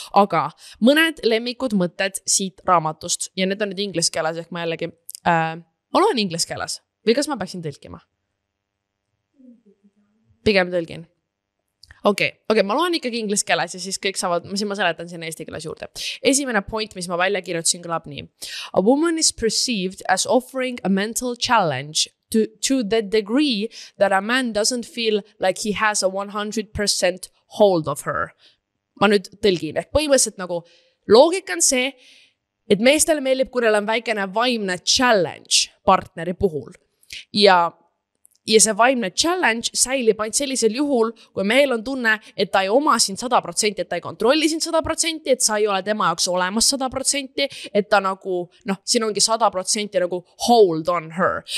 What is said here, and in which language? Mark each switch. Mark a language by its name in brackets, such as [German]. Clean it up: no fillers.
[Estonian] Aga mõned lemmikud mõtted siit raamatust ja need on nüüd ingliskeeles, ehk ma jällegi olen ingliskeeles. Või kas ma peaksin tõlkima? Pigem tõlgin. Okei, ma loen ikkagi ingliskeeles ja siis kõik saavad, siin ma seletan sinna eesti keeles juurde. Esimene point, mis ma välja kirjutsin, kõlab nii. [English] A woman is perceived as offering a mental challenge to the degree that a man doesn't feel like he has a 100% hold of her. [Estonian] Ma nüüd tõlgin. Ehk põhimõtteliselt nagu loogika on see, et meestel meelib, kui neil on väikene vaimne challenge partneri puhul. Ja see vaimne challenge säilib ainult sellisel juhul, kui meil on tunne, et ta ei oma siin 100%, et ta ei kontrolli siin 100%, et sa ei ole tema jaoks olemas 100%, et ta nagu, noh, siin ongi 100% nagu [English] hold on her.